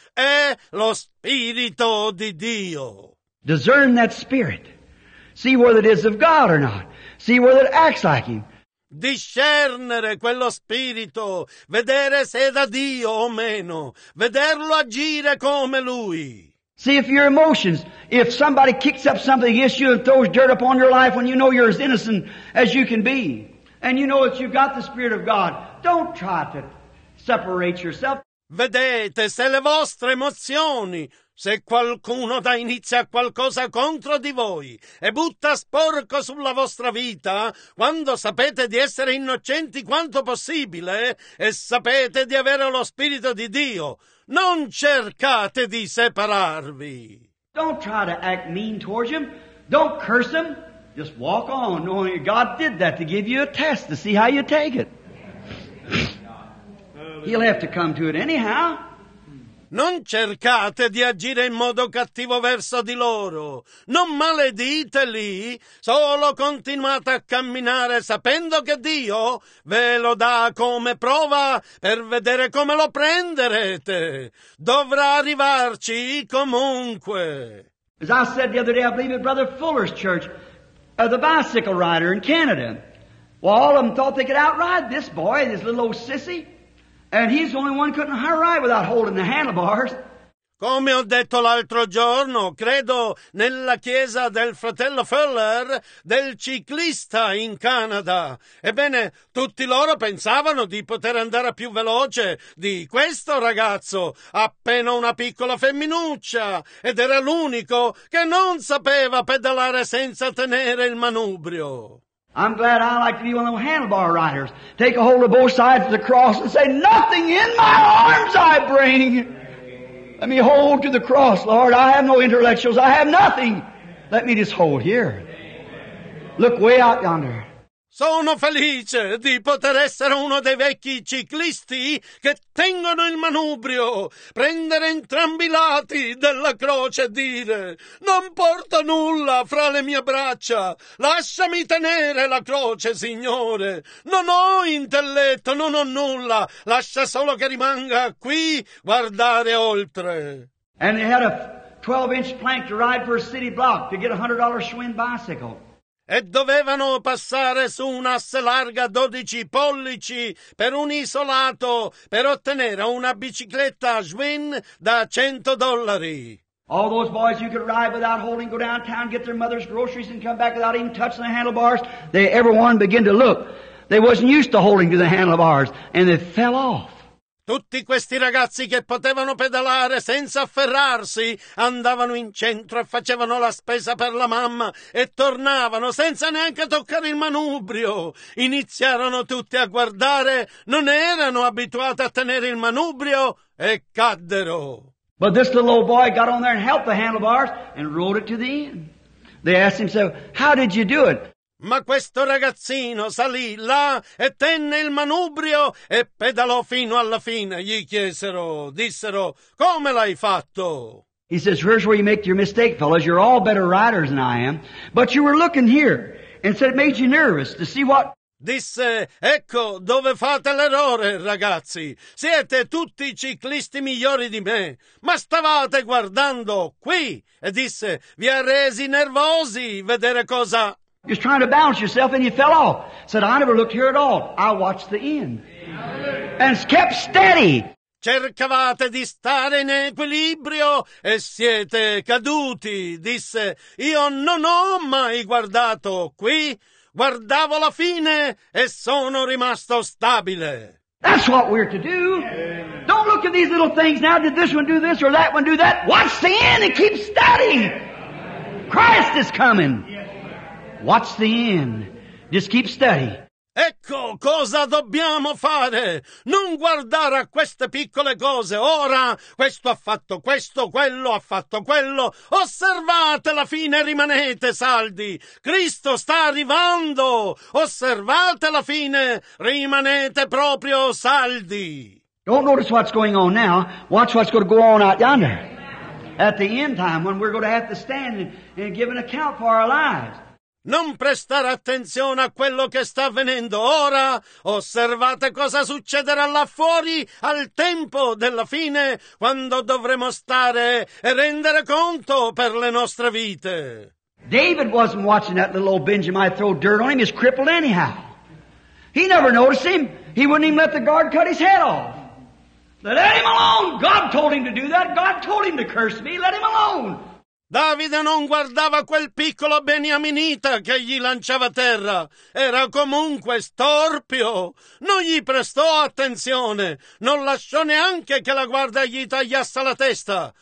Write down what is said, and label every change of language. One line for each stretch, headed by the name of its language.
Italian: È lo Spirito di Dio.
English: Discern that Spirit. See whether it is of God or not. See whether it acts like Him.
Italian: discernere quello spirito, vedere se è da Dio o meno, vederlo agire come lui.
English: See, if your emotions, if somebody kicks up something against you and throws dirt upon your life when you know you're as innocent as you can be, and you know that you've got the Spirit of God, don't try to separate yourself.
Italian: Vedete, se le vostre emozioni, se qualcuno dà inizio a qualcosa contro di voi e butta sporco sulla vostra vita, quando sapete di essere innocenti quanto possibile e sapete di avere lo Spirito di Dio, non cercate di separarvi.
English: Don't try to act mean towards him. Don't curse him. Just walk on, knowing God did that to give you a test to see how you take it. He'll have to come to it anyhow.
Italian: Non cercate di agire in modo cattivo verso di loro. Non malediteli. Solo continuate a camminare sapendo che Dio ve lo dà come prova per vedere come lo prenderete. Dovrà arrivarci comunque.
English: As I said the other day, I believe it, Brother Fuller's church, the bicycle rider in Canada. Well, all of them thought they could outride this boy, this little old sissy. And he's the only one couldn't ride without holding the handlebars.
Italian: Come ho detto l'altro giorno, credo nella chiesa del fratello Fuller, del ciclista in Canada. Ebbene, tutti loro pensavano di poter andare più veloce di questo ragazzo, appena una piccola femminuccia, ed era l'unico che non sapeva pedalare senza tenere il manubrio.
English: I'm glad I like to be one of those handlebar riders. Take a hold of both sides of the cross and say, nothing in my arms I bring. Let me hold to the cross, Lord. I have no intellectuals. I have nothing. Let me just hold here. Look way out yonder.
Italian: Sono felice di poter essere uno dei vecchi ciclisti che tengono il manubrio, prendere entrambi i lati della croce e dire, non porto nulla fra le mie braccia, lasciami tenere la croce, Signore, non ho intelletto, non ho nulla, lascia solo che rimanga qui, guardare oltre.
English: And they had a 12-inch plank to ride for a city block to get a $100 Schwinn bicycle.
Italian: E dovevano passare su un'asse larga 12 pollici per un isolato per ottenere una bicicletta Schwinn da $100.
English: All those boys you could ride without holding, go downtown, get their mother's groceries and come back without even touching the handlebars, they every one begin to look. They wasn't used to holding to the handlebars and they fell off.
Italian: Tutti questi ragazzi che potevano pedalare senza afferrarsi andavano in centro e facevano la spesa per la mamma e tornavano senza neanche toccare il manubrio. Iniziarono tutti a guardare, non erano abituati a tenere il manubrio e caddero.
English: But this little old boy got on there and held the handlebars and rode it to the end. They asked him, so, how did you do it?
Italian: Ma questo ragazzino salì là e tenne il manubrio e pedalò fino alla fine. Gli chiesero, dissero, come l'hai fatto?
English: He says, here's where you make your mistake, fellas. You're all better riders than I am. But you were looking here. And said, it made you nervous to see what...
Italian: Disse, ecco dove fate l'errore, ragazzi. Siete tutti ciclisti migliori di me. Ma stavate guardando qui. E disse, vi ha resi nervosi vedere cosa...
English: You're trying to balance yourself and you fell off. Said, I never looked here at all. I watched the end. And kept steady.
Italian: Cercavate di stare in equilibrio e siete caduti. Disse, io non ho mai guardato qui. Guardavo la fine e sono rimasto stabile.
English: That's what we're to do. Don't look at these little things now. Did this one do this or that one do that? Watch the end and keep steady. Christ is coming. What's the end? Just keep steady.
Italian: Ecco cosa dobbiamo fare. Non guardare a queste piccole cose. Ora, questo ha fatto questo, quello ha fatto quello. Osservate la fine e rimanete saldi. Cristo sta arrivando. Osservate la fine. Rimanete proprio saldi.
English: Don't notice what's going on now. Watch what's going to go on out yonder. At the end time, when we're going to have to stand and give an account for our lives.
Italian: Non prestare attenzione a quello che sta avvenendo ora. Osservate cosa succederà là fuori al tempo della fine, quando dovremo stare e rendere conto per le nostre vite.
English: David wasn't watching that little old Benjamite throw dirt on him. He's crippled anyhow. He never noticed him. He wouldn't even let the guard cut his head off. Let him alone. God told him to do that. God told him to curse me. Let him alone.
Italian: Davide non guardava quel piccolo beniaminita che gli lanciava a terra. Era comunque storpio. Non gli prestò attenzione. Non lasciò neanche che la guardia gli tagliasse la testa.